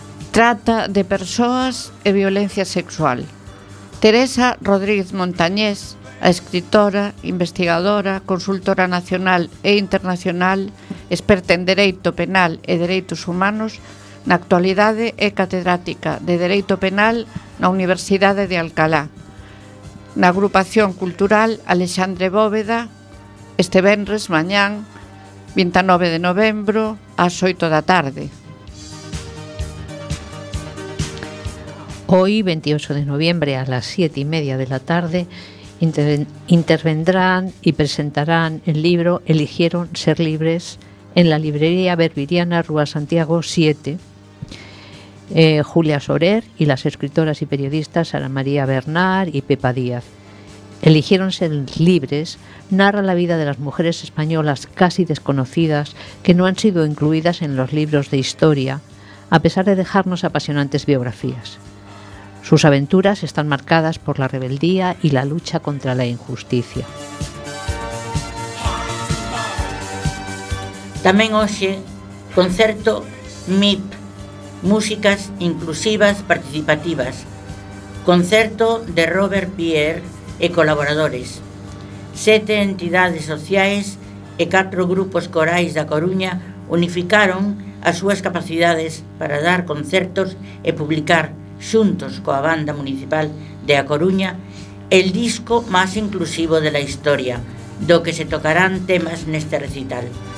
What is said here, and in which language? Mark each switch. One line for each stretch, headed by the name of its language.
Galician: Trata de persoas e violencia sexual. Teresa Rodríguez Montañés, a escritora, investigadora, consultora nacional e internacional, experta en dereito penal e dereitos humanos, na actualidade é catedrática de dereito penal na Universidade de Alcalá. Na agrupación cultural Alexandre Bóveda, este venres, mañán, 29 de novembro, ás 8 da tarde.
Spanish: Hoy, 28 de novembro, a las 7:30 de la tarde, intervendrán y presentarán el libro Eligieron ser libres en la librería Berbiriana, Rúa Santiago 7. Julia Sorer y las escritoras y periodistas Sara María Bernard y Pepa Díaz. Eligieron ser libres narra la vida de las mujeres españolas casi desconocidas que no han sido incluidas en los libros de historia, a pesar de dejarnos apasionantes biografías. Sus aventuras están marcadas por la rebeldía y la lucha contra la injusticia.
Galician: También hoxe, concerto MIP, Músicas Inclusivas Participativas, concerto de Robert Pierre e colaboradores. 7 entidades sociais e 4 grupos corais da Coruña unificaron as súas capacidades para dar concertos e publicar, xuntos coa banda municipal de A Coruña,
Spanish: el disco
Galician: máis inclusivo
Spanish: de la historia,
Galician: do que se tocarán temas neste recital.